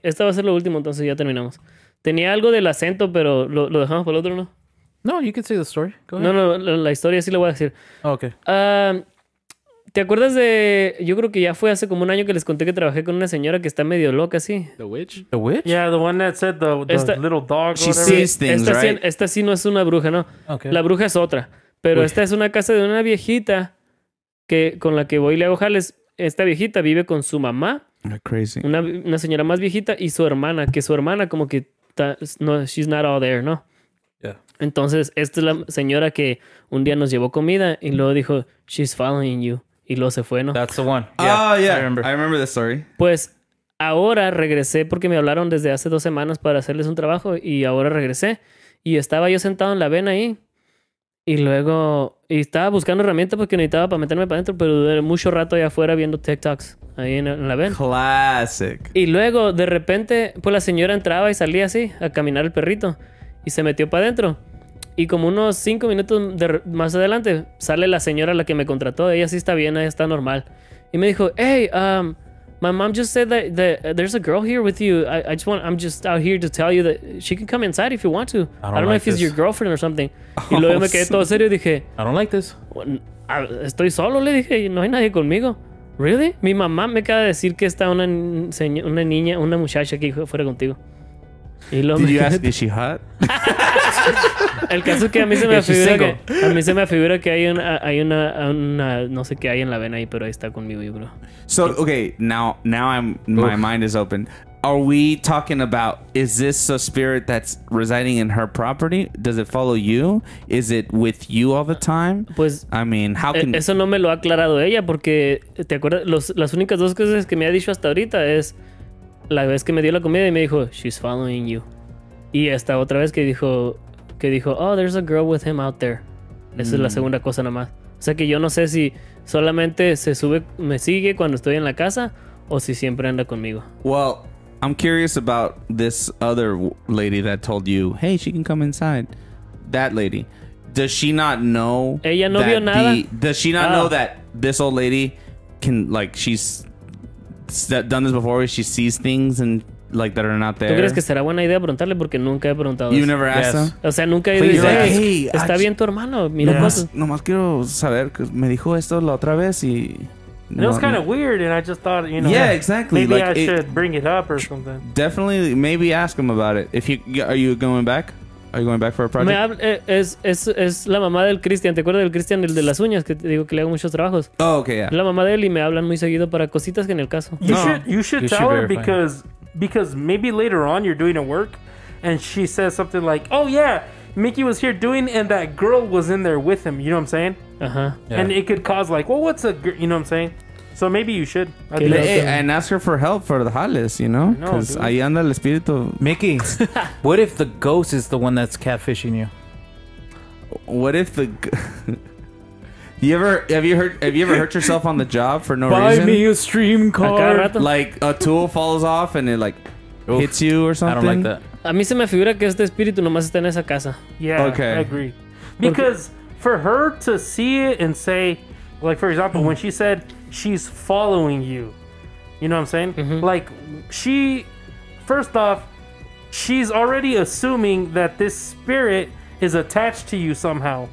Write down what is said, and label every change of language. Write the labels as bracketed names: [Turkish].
[Spanish] Esta va a ser lo último, entonces ya terminamos. Tenía algo del acento, pero lo dejamos para el otro, ¿no? [English] No, you can say the story. Go ahead. [Spanish] No, no, la historia sí la voy a decir. [English] Oh, okay. [Spanish] ¿Te acuerdas de... Yo creo que ya fue hace como un año que les conté que trabajé con una señora que está medio loca, sí. [English] The witch? The witch? Yeah, the one that said the little dog. She sees things, [Spanish] esta, [English] right? [Spanish] Esta sí no es una bruja, ¿no? [English] Okay. [Spanish] La bruja es otra. Pero esta es una casa de una viejita que con la que voy y le hago jales. Esta viejita vive con su mamá. [English] Crazy. [Spanish] Una señora más viejita y su hermana, que su hermana como que... [English] No, she's not all there, ¿no? Yeah. [Spanish] Entonces, esta es la señora que un día nos llevó comida y luego dijo, [English] she's following you. [Spanish] Y luego se fue, ¿no? [English] That's the one. Yeah, oh, yeah. I remember the story. [Spanish] Pues, ahora regresé porque me hablaron desde hace 2 semanas para hacerles un trabajo y ahora regresé. Y estaba yo sentado en la vena ahí y luego... Y estaba buscando herramientas porque necesitaba para meterme para adentro, pero duré mucho rato allá afuera viendo TikToks ahí en la vena. [English] Classic. [Spanish] Y luego, de repente, pues la señora entraba y salía así a caminar el perrito y se metió para adentro. Y como unos 5 minutos más adelante, sale la señora la que me contrató. Ella sí está bien, ella está normal. [English] Y me dijo, hey, my mom just said that there's a girl here with you. I'm just out here to tell you that she can come inside if you want to. I don't know if it's your girlfriend or something. [Spanish] Oh, y luego me quedé todo serio y dije, [English] I don't like this. [Spanish] Estoy solo, le dije, no hay nadie conmigo. [English] Really? [Spanish] Mi mamá me acaba de decir que está una niña, una muchacha aquí fuera contigo. Y luego [English] Did you ask, is she hot? [Spanish] El caso es que a mí se me afigura que hay una no sé qué hay en la vena ahí, pero ahí está conmigo, yo creo. [English] So, okay, now my mind is open. Are we talking about, is this a spirit that's residing in her property? Does it follow you? Is it with you all the time? [Spanish] Pues, [English] I mean, how can... [Spanish] Eso no me lo ha aclarado ella, porque, ¿te acuerdas? Las únicas dos cosas que me ha dicho hasta ahorita es la vez que me dio la comida y me dijo, [English] she's following you. [Spanish] Y esta otra vez que dijo, [English] oh, there's a girl with him out there. [Spanish] Esa es la segunda cosa nomás. O sea que yo no sé si solamente me sigue cuando estoy en la casa o si siempre anda conmigo. [English] Well, I'm curious about this other lady that told you, hey, she can come inside. That lady. Does she not know? [Spanish] Ella no vio nada. [English] Does she not know that this old lady can, like, she's done this before, she sees things and... Like that are not there. [Spanish] ¿Tú crees que será buena idea preguntarle? Porque nunca he preguntado. [English] You never asked them? [Spanish] O sea, nunca he dicho, hey, está bien tu hermano. Mira, nomás quiero saber. Me dijo esto la otra vez y... [English] And it was kind of weird and I just thought, you know. Yeah, exactly. Maybe like, I should bring it up or something. Definitely, maybe ask him about it. Are you going back? Are you going back for a project? [Spanish] Es la mamá del Cristian. ¿Te acuerdas del Cristian, el de las uñas? Que te digo que le hago muchos trabajos. [English] Oh, okay, yeah. [Spanish] La mamá de él y me hablan muy seguido para cositas que en el caso. [English] You should tell her because maybe later on you're doing a work and she says something like, oh yeah, Mickey was here doing and that girl was in there with him, you know what I'm saying? Uh-huh. Yeah. And it could cause like, well, what's a girl, you know what I'm saying? So maybe you should. And ask her for help for the jales, you know? [Spanish] Because ahí anda el espíritu. [English] Mickey, what if the ghost is the one that's catfishing you? What if the... Have you ever hurt yourself on the job for no reason? Buy me a stream car. Like a tool falls off and it like hits you or something. I don't like that. [Spanish] A mí se me figura que este espíritu nomás está en esa casa. [English] Yeah, okay. I agree. Because for her to see it and say, like for example, when she said she's following you, you know what I'm saying? Mm-hmm. Like she, first off, she's already assuming that this spirit is attached to you somehow.